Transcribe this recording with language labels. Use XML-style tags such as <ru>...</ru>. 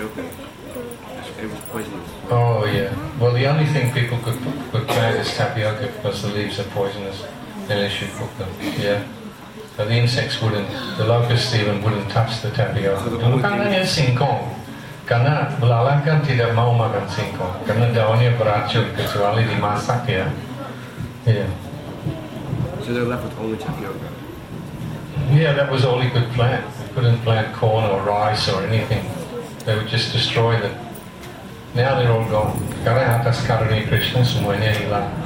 <en>about the tapioca. It was poisonous. Oh, yeah. Well, the only thing people could plant is tapioca because the leaves are poisonous. Then they should cook them. Yeah. But the insects wouldn't, the locusts even wouldn't touch the tapioca.</en> <id>Bukan hanya singkong. Karena belalang kan tidak mau makan singkong. Karena daunnya beracun kecuali dimasak ya. Yeah.</id> <en>So they're left with only tapioca. Yeah, that was all he could plant. He couldn't plant corn or rice or anything. They would just destroy them. Now they're all gone.</en> <id>Karena atas karunia Krishna semuanya hilang.</id>